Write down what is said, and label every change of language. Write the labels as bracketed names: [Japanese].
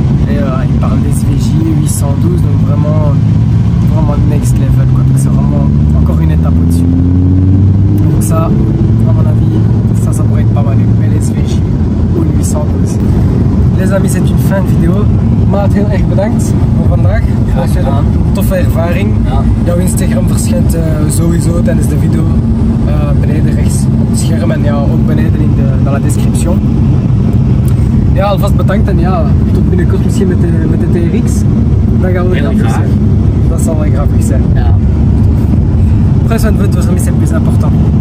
[French] Et il parle des SVJ 812, donc vraiment, vraiment next level, quoi. Donc c'est vraiment encore une étape au-dessus. Donc ça, à mon avis, ça pourrait être pas mal, une belle SVJ ou une 812. Les amis, c'est une fin de vidéo. [Dutch] Maat, heel erg bedankt voor vandaag. Graag gedaan. Toffe ervaring. Ja. Jouw Instagram verschijnt sowieso tijdens de video beneden rechts op het scherm en ja, ook beneden in de description. Ja, alvast bedankt en ja, tot binnenkort misschien met de TRX. Dan gaan we heel graag. Zijn. Dat zal wel grappig zijn. Ja. [French] Prochaine fois, c'est plus important.